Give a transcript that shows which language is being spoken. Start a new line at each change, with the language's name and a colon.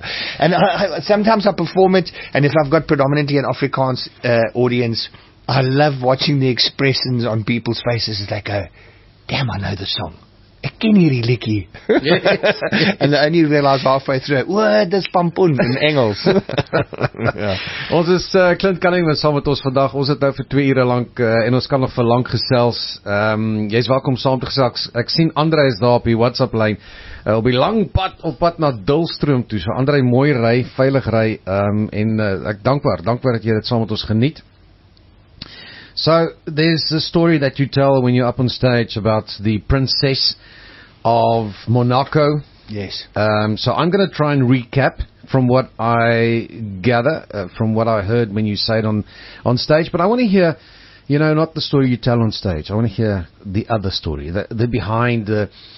English: And sometimes I perform it, and if I've got predominantly an Afrikaans audience, I love watching the expressions on people's faces as they go, damn, I know the song. And I only realized halfway through, what is Pampoen in Engels?
Afrikaans: Ja. Ons is Clint Cunningham saam met ons vandag. Ons het nou vir 2 ure lank en ons kan nog vir lang gesels. Jy is welkom saam te gesels. Ek sien Andre is daar op die WhatsApp lyn. Op die lang pad, op pad na Dulstroom toe. So Andre, mooi ry, veilig ry. Ek dankbaar dat jy dit saam met ons geniet.
English: So there's the story that you tell when you're up on stage about the princess of Monaco. Yes. So I'm going to try and recap from what I gather, from what I heard when you say it on stage. But I want to hear, you know, not the story you tell on stage. I want to hear the other story, the behind the...